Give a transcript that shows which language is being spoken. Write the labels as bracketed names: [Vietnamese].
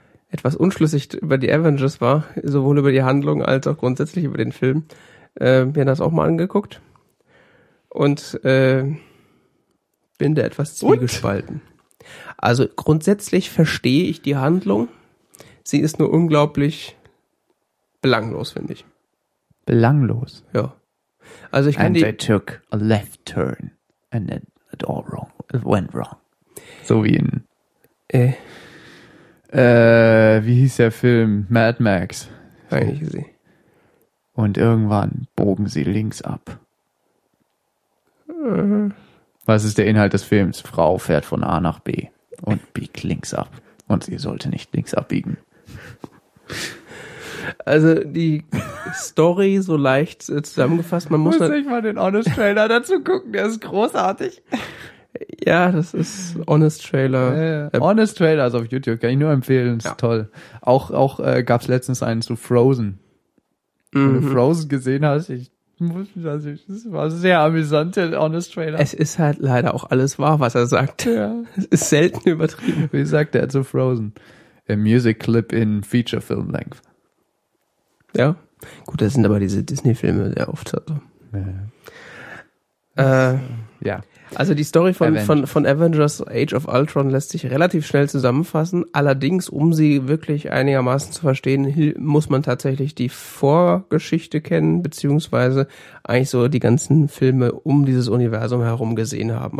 [German] ...etwas unschlüssig über die Avengers war, sowohl über die Handlung als auch grundsätzlich über den Film, mir das auch mal angeguckt. Und bin da etwas zwiegespalten. Also grundsätzlich verstehe ich die Handlung. Sie ist nur unglaublich belanglos, finde ich. Belanglos? Ja. Also ich kann [English] and they took a left turn and then it all wrong. It went wrong. [German] So wie in wie hieß der Film? Mad Max. Eigentlich gesehen. Und irgendwann bogen sie links ab. Was ist der Inhalt des Films? Frau fährt von A nach B und biegt links ab. Und sie sollte nicht links abbiegen. Also die Story so leicht zusammengefasst. Man muss sich mal den Honest Trailer dazu gucken, der ist großartig. Ja, das ist Honest Trailer. Honest Trailer ist auf YouTube, kann ich nur empfehlen, ist toll. Auch gab es letztens einen zu Frozen. Wenn du Frozen gesehen hast, das war sehr amüsant, der Honest Trailer. Es ist halt leider auch alles wahr, was er sagt. Ja. Es ist selten übertrieben. Wie sagt er zu Frozen? [English] A music clip in feature film length. [German] Ja, gut, das sind aber diese Disney-Filme sehr oft. Also. Ja. Also die Story von Avengers Age of Ultron lässt sich relativ schnell zusammenfassen. Allerdings, um sie wirklich einigermaßen zu verstehen, muss man tatsächlich die Vorgeschichte kennen, beziehungsweise eigentlich so die ganzen Filme um dieses Universum herum gesehen haben.